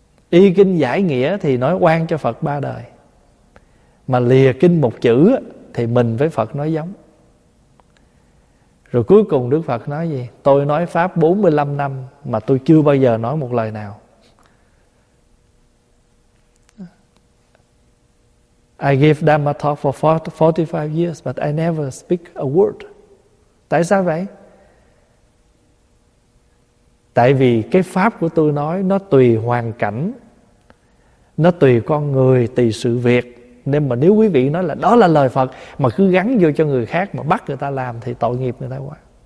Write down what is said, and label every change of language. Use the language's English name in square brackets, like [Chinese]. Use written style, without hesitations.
[Vietnamese] Y kinh giải nghĩa thì nói oan cho Phật ba đời. Mà lìa kinh một chữ thì mình với Phật nói giống. Rồi cuối cùng Đức Phật nói gì? Tôi nói pháp 45 năm mà tôi chưa bao giờ nói một lời nào. [English] I give Dhamma talk for 45 years but I never speak a word. [Vietnamese] Tại sao vậy? Tại vì cái pháp của tôi nói nó tùy hoàn cảnh, nó tùy con người, tùy sự việc. Nên mà nếu quý vị nói là đó là lời Phật mà cứ gắn vô cho người khác mà bắt người ta làm thì tội nghiệp người ta quá.